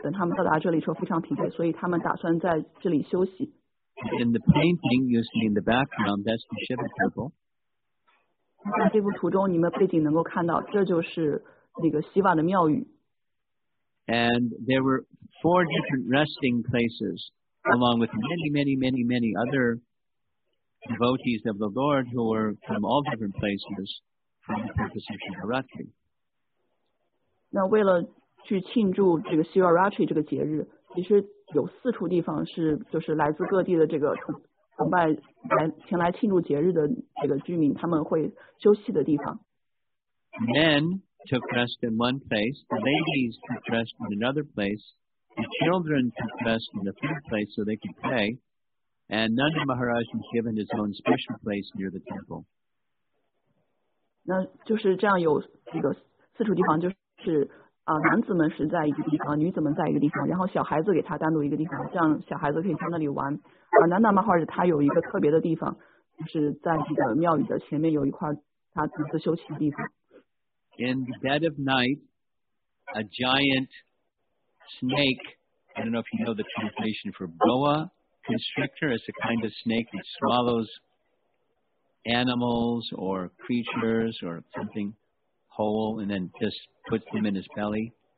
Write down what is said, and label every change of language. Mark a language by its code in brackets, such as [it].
[zh] 等他们到达这里时候非常疲惫，所以他们打算在这里休息。 [en] In the painting you see in the background, that's the Shiva temple. [zh] 在这幅图中，你们背景能够看到，这就是那个希瓦的庙宇。 [en] And there were four different resting places, along with many, many, many, many other devotees of the Lord who were from all different places from the purpose of Shivaratri. [zh] 那为了去庆祝这个 Shivaratri 这个节日，其实有四处地方是就是来自各地的这个崇拜来前来庆祝节日的这个居民，他们会休息的地方。 [en] Men took rest in one place, the ladies took rest in another place, the children took rest in a third place so they could pray, and Nanda Maharaj was given his own special place near the temple. [zh] 那就是这样，有这个四处地方，就是男子们是在一个地方，女子们在一个地方，然后小孩子给他单独一个地方，这样小孩子可以在那里玩。南达玛哈尔他有一个特别的地方，就是在这个庙宇的前面有一块他独自休息的地方。 [en] In the dead of night, a giant snake, I don't know if you know the translation for boa constrictor, is a kind of snake that swallows animals or creatures or something whole and then just puts them in his belly.